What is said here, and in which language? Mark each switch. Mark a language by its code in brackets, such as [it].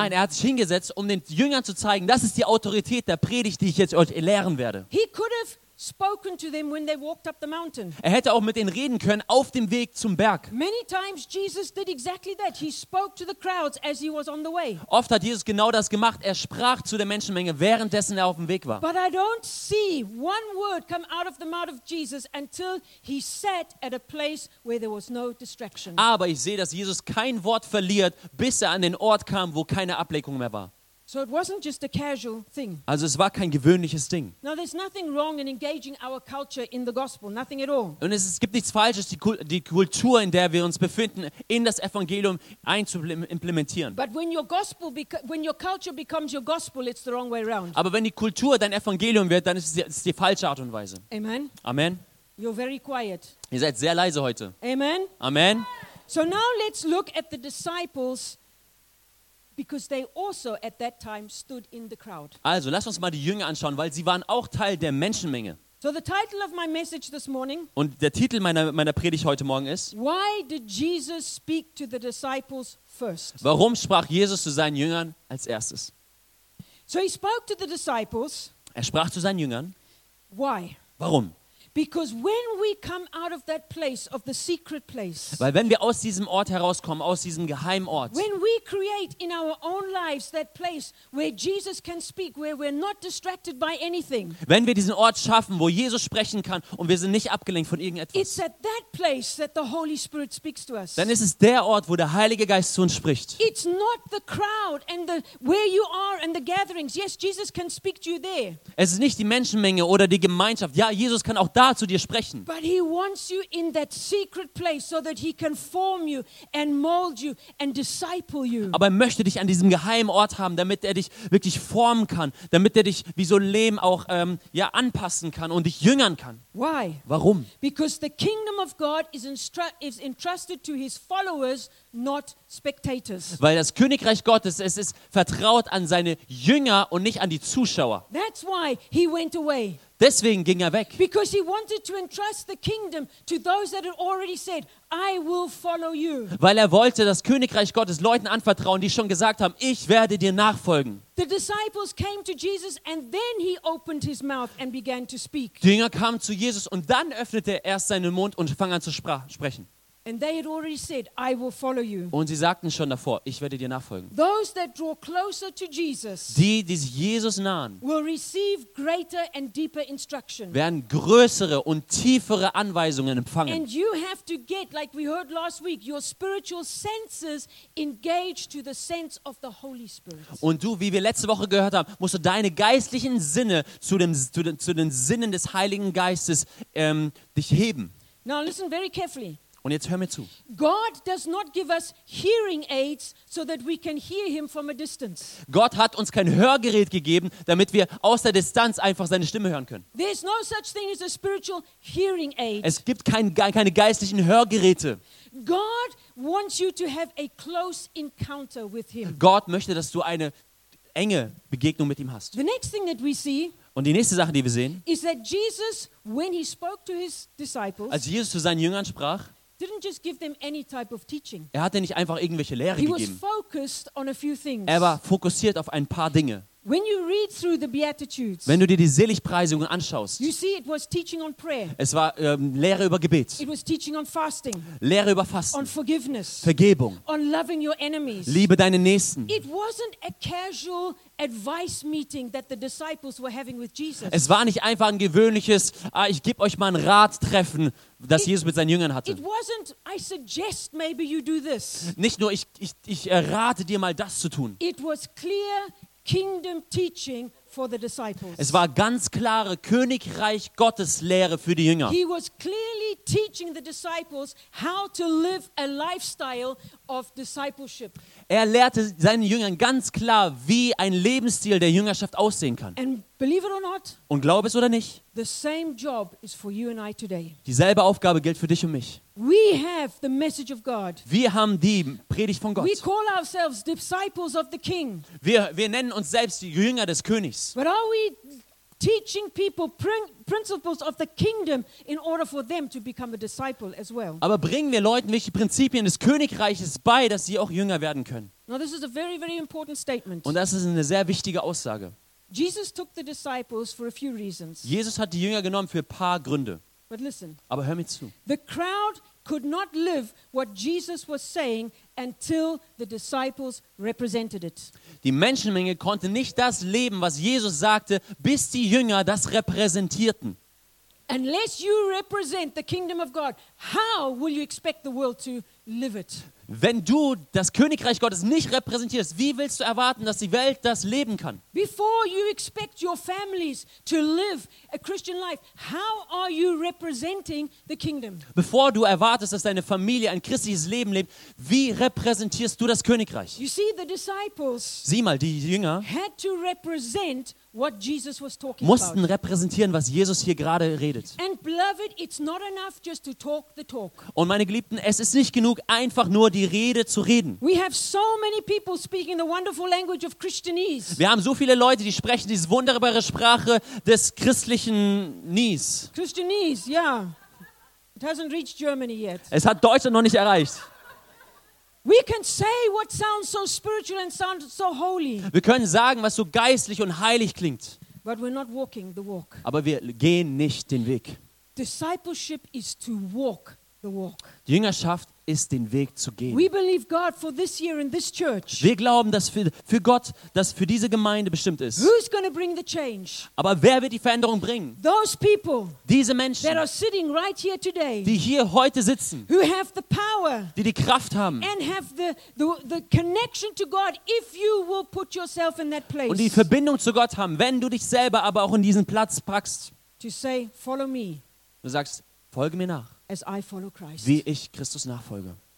[de] Nein, er hat sich hingesetzt, um den Jüngern zu zeigen, das ist die Autorität der Predigt, die ich jetzt euch lehren werde. [en] He could have spoken to them when they walked up the mountain. [de] Er hätte auch mit ihnen reden können auf dem Weg zum Berg. [en] Many times Jesus did exactly that. He spoke to the crowds as he was on the way. [de] Oft hat Jesus genau das gemacht. Er sprach zu der Menschenmenge, währenddessen er auf dem Weg war. [en] But I don't see one word come out of the mouth of Jesus until he sat at a place where there was no distraction. [de] Aber ich sehe, dass Jesus kein Wort verliert, bis er an den Ort kam, wo keine Ablenkung mehr war. [en] So it wasn't just a casual thing. [de] Also es war kein gewöhnliches Ding. [en] Now there's nothing wrong in engaging our culture in the gospel, nothing at all. [de] Und es gibt nichts Falsches, die Kultur, in der wir uns befinden, in das Evangelium einzuimplementieren. [en] But when your gospel when your culture becomes your gospel, it's the wrong way around. [de] Aber wenn die Kultur dein Evangelium wird, dann ist es die falsche Art und Weise. [en] Amen. [de] Amen. [en] You're very quiet. [de] Ihr seid sehr leise heute. [en] Amen. [de] Amen. [en] So now let's look at the disciples. Because they also at that time stood in the crowd. [de] Also, lass uns mal die Jünger anschauen, weil sie waren auch Teil der Menschenmenge. [en] So the title of my message this morning. [de] Und der Titel meiner Predigt heute Morgen ist: [en] Why did Jesus speak to the disciples first? [de] Warum sprach Jesus zu seinen Jüngern als erstes? [en] So he spoke to the disciples. [de] Er sprach zu seinen Jüngern. [en] Why? [de] Warum? [en] Because when we come out of that place, of the secret place, [de] weil wenn wir aus diesem Ort herauskommen, aus diesem Geheimort, [en] when we create in our own lives that place where Jesus can speak, where we're not distracted by anything, [de] wenn wir diesen Ort schaffen, wo Jesus sprechen kann und wir sind nicht abgelenkt von irgendetwas, [en] it's at that place that the Holy Spirit speaks to us. [de] Dann ist es der Ort, wo der Heilige Geist zu uns spricht. [en] It's not the crowd and the where you are and the gatherings. Yes, Jesus can speak to you there. [de] Es ist nicht die Menschenmenge oder die Gemeinschaft. Ja, Jesus kann auch da zu dir sprechen. [en] But he wants you in that secret place so that he can form you and mold you and disciple you. [de] Aber er möchte dich an diesem geheimen Ort haben, damit er dich wirklich formen kann, damit er dich wie so Lehm auch anpassen kann und dich jüngern kann. [en] Why? [de] Warum? [en] Because the kingdom of God is entrusted to his followers, not spectators. [de] Weil das Königreich Gottes, es ist vertraut an seine Jünger und nicht an die Zuschauer. [en] That's why he went away. [de] Deswegen ging er weg. [en] Because he wanted to entrust the kingdom to those that had already said, I will follow you. [de] Weil er wollte das Königreich Gottes Leuten anvertrauen, die schon gesagt haben, ich werde dir nachfolgen. [en] The disciples came to Jesus and then he opened his mouth and began to speak. [de] Die Jünger kamen zu Jesus und dann öffnete er erst seinen Mund und fang an zu sprechen. [en] And they had already said, I will follow you. [de] Und sie sagten schon davor, ich werde dir nachfolgen. [en] Those that draw closer to Jesus, [de] die sich Jesus nahen, [en] will receive greater and deeper instruction. [de] Werden größere und tiefere Anweisungen empfangen. [en] And you have to get, like we heard last week, your spiritual senses engaged to the sense of the Holy Spirit. [de] Und du, wie wir letzte Woche gehört haben, musst du deine geistlichen Sinne zu den Sinnen des Heiligen Geistes dich heben. [en] Now listen very carefully. [de] Und jetzt hör mir zu. [en] God does not give us hearing aids so that we can hear him from a distance. [de] Gott hat uns kein Hörgerät gegeben, damit wir aus der Distanz einfach seine Stimme hören können. [en] There is no such thing as a spiritual hearing aid. [de] Es gibt keine geistlichen Hörgeräte. [en] God wants you to have a close encounter with him. [de] Gott möchte, dass du eine enge Begegnung mit ihm hast. [en] The next thing that we see, [de] und die nächste Sache, die wir sehen, [en] is that Jesus, when he spoke to his disciples, [de] als Jesus zu seinen Jüngern sprach, [en] didn't just give them any type of teaching. [de] Er hatte nicht einfach irgendwelche Lehre [en] he [de] gegeben. [en] Was focused on a few things. [de] Er war fokussiert auf ein paar Dinge. [en] When you read through the Beatitudes, [de] wenn du dir die Seligpreisungen anschaust, [en] you see it was teaching on prayer. [de] Es war Lehre über Gebet. [en] It was teaching on fasting. [de] Lehre über Fasten. [en] On forgiveness. [de] Vergebung. [en] On loving your enemies. [de] Liebe deine Nächsten. [en] It wasn't a casual advice meeting that the disciples were having with Jesus. [de] Es war nicht einfach ein gewöhnliches, ich gebe euch mal ein Rattreffen, das Jesus mit seinen Jüngern hatte. [en] It wasn't, I suggest maybe you do this. [de] Nicht nur, ich rate dir mal das zu tun. [en] It was clear Kingdom teaching for the disciples. [de] Es war ganz klare Königreich Gottes Lehre für die Jünger. [en] He was clearly teaching the disciples how to live a lifestyle of discipleship. [de] Er lehrte seinen Jüngern ganz klar, wie ein Lebensstil der Jüngerschaft aussehen kann. [en] And believe it or not, [de] und glaub es oder nicht, [en] the same job is for you and I today. [de] Dieselbe Aufgabe gilt für dich und mich. [en] We have the message of God. [de] Wir haben die Predigt von Gott. [en] We call ourselves disciples of the King. [de] Wir nennen uns selbst die Jünger des Königs. [en] But are we teaching people principles of the kingdom in order for them to become a disciple as well? [de] Aber bringen wir Leuten welche Prinzipien des Königreiches bei, dass sie auch Jünger werden können? [en] Now this is a very, very important statement. [de] Und das ist eine sehr wichtige Aussage. [en] Jesus took the disciples for a few reasons. [de] Jesus hat die Jünger genommen für ein paar Gründe. [en] But listen. [de] Aber hör mir zu. [en] The crowd could not live what Jesus was saying until the disciples represented it. [de] Die Menschenmenge konnte nicht das leben, was Jesus sagte, bis die Jünger das repräsentierten. [en] Unless you represent the kingdom of God, how will you expect the world to live it? [de] Wenn du das Königreich Gottes nicht repräsentierst, wie willst du erwarten, dass die Welt das leben kann? [en] Before you expect your families to live a Christian life, how are you representing the kingdom? [de] Bevor du erwartest, dass deine Familie ein christliches Leben lebt, wie repräsentierst du das Königreich? [en] You see, the disciples, [de] sieh mal, die Jünger [en] had to represent what Jesus was talking about. [de] Mussten repräsentieren, was Jesus hier gerade redet. [en] And beloved, it's not enough just to talk the talk. [de] Und meine Geliebten, es ist nicht genug, einfach nur die Rede zu reden. [en] We have so many people speaking the wonderful language of Christianese. [de] Wir haben so viele Leute, die sprechen diese wunderbare Sprache des christlichen Nies. [en] Christianese, yeah. It hasn't reached Germany yet. [de] Es hat Deutschland noch nicht erreicht. [en] We can say what sounds so spiritual and sounds so holy. [de] Wir können sagen, was so geistlich und heilig klingt. [en] But we're not walking the walk. [de] Aber wir gehen nicht den Weg. [en] Discipleship is to walk the walk. [de] Die Jüngerschaft ist den Weg zu gehen. [en] We believe God for this year in this church. [de] Wir glauben, dass für Gott, dass für diese Gemeinde bestimmt ist. [en] Who's gonna bring the change? [de] Aber wer wird die Veränderung bringen? [en] Those people, [de] diese Menschen, [en] that are sitting right here today, [de] die hier heute sitzen, [en] who have the power, [de] die Kraft haben, [en] and have the connection to God, if you will put yourself in that place, [de] und die Verbindung zu Gott haben, wenn du dich selber aber auch in diesen Platz packst, [en] to say, follow me. [de] Du sagst, folge mir nach. [en] As I follow Christ. [de] Wie ich Christus nachfolge.